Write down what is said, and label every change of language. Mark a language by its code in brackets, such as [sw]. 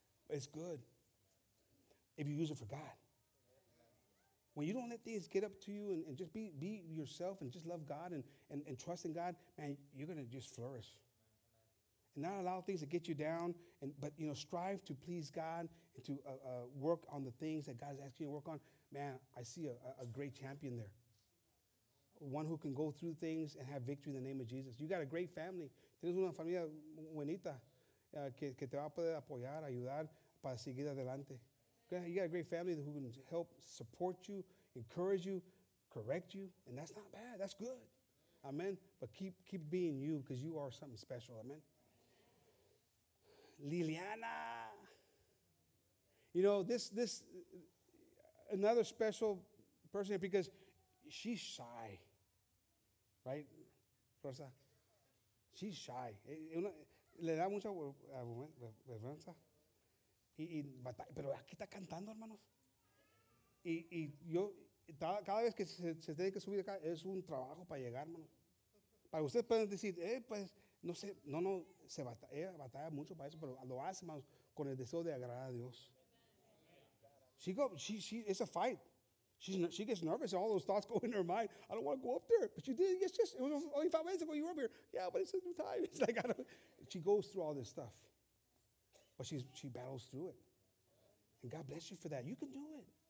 [en] It's good if you use it for God. When you don't let things get up to you and just be yourself and just love God and trust in God, man, you're going to just flourish. And not allow things to get you down, but, you know, strive to please God and to work on the things that God is asking you to work on. Man, I see a great champion there. One who can go through things and have victory in the name of Jesus. You got a great family. [es] Tienes una familia buenita que te va a poder apoyar, ayudar para seguir adelante. [en] You got a great family who can help support you, encourage you, correct you, and that's not bad. That's good. Amen. But keep being you because you are something special. Amen. Liliana. You know, this another special person because she's shy. Right, Rosa? She's shy. [es] Le da mucha vergüenza. Pero aquí está cantando, hermanos. Y yo, cada vez que se tiene que subir acá, es un trabajo para llegar, hermano. Para ustedes pueden decir, pues, no sé, no, se batalla, ella batalla mucho para eso, pero lo hace, hermano, con el deseo de agradar a Dios. [en] She, it's a fight. She gets nervous, and all those thoughts go in her mind. I don't want to go up there. But you did. It was only 5 minutes ago you were up here. Yeah, but it's a new time. It's like, I don't. She goes through all this stuff. But she battles through it. And God bless you for that. You can do it.